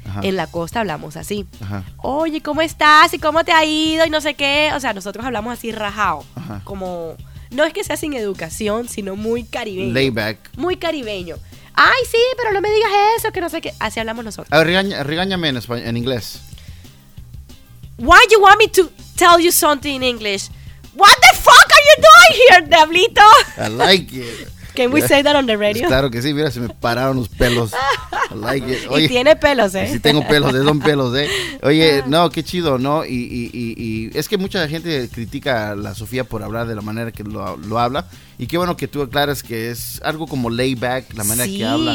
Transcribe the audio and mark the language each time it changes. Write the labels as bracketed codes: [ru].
[es] Ajá. En la costa hablamos así. Ajá. Oye, ¿cómo estás? ¿Y cómo te ha ido? Y no sé qué. O sea, nosotros hablamos así rajado. Ajá. Como, no es que sea sin educación, sino muy caribeño. [en] Layback. [es] Muy caribeño. Ay, sí, pero no me digas eso, que no sé qué. Así hablamos nosotros. A ver, regáñame en español, en inglés. [en] Why you want me to tell you something in English? What the fuck are you doing here, [es] diablito? [en] I like it. Can we say that on the radio? [es] Pues claro que sí, mira, se me pararon los pelos. [en] I like it. [es] Oye, y tiene pelos, ¿eh? Sí, tengo pelos, son pelos, ¿eh? Oye, no, qué chido, ¿no? Y es que mucha gente critica a la Sofía por hablar de la manera que lo habla. Y qué bueno que tú aclaras que es algo como [en] layback, [es] la manera que habla.